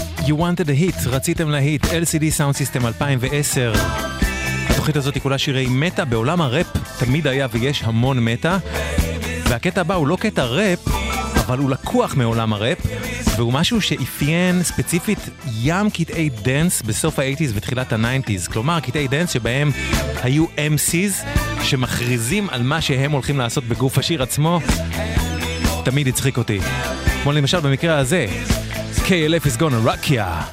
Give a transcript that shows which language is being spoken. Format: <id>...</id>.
<en>wanted a hit,</en> <he>רציתם להיט,</he> <en>LCD Sound System 2010.</en> <he>התוכנית הזאת היא כולה שירי מטה בעולם הראפ, תמיד היה ויש המון מטה. והקטע הבא הוא לא קטע ראפ, אבל הוא לקוח מעולם הראפ, והוא משהו שאפיין ספציפית ים קטעי דנס בסוף ה-80s ותחילת ה-90s. כלומר, קטעי דנס שבהם היו MCs שמכריזים על מה שהם הולכים לעשות בגוף השיר עצמו, תמיד יצחיק אותי. כמו למשל במקרה הזה,</he> <en>KLF is gonna rock ya.</en>